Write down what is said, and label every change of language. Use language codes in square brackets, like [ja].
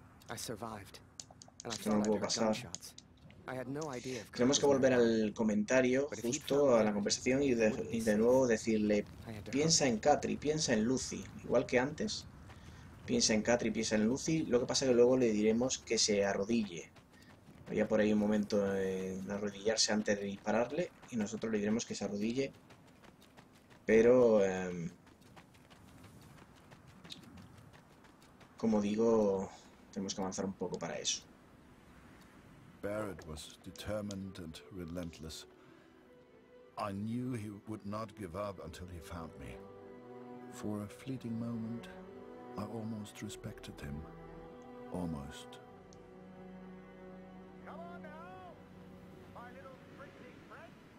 [en] I survived, and I thought I'd heard gunshots. [es] Tenemos que volver al comentario, justo a la conversación, y de nuevo decirle: piensa en Katri, piensa en Lucy, igual que antes. Piensa en Katri, piensa en Lucy. Lo que pasa es que luego le diremos que se arrodille. Había por ahí un momento en arrodillarse antes de dispararle, y nosotros le diremos que se arrodille. Pero, como digo, tenemos que avanzar un poco para eso. [en] Barrett was determined and relentless. I knew he would not give up until he found me. For a fleeting moment, I almost respected him. Almost. Come on now, my little freaking friend.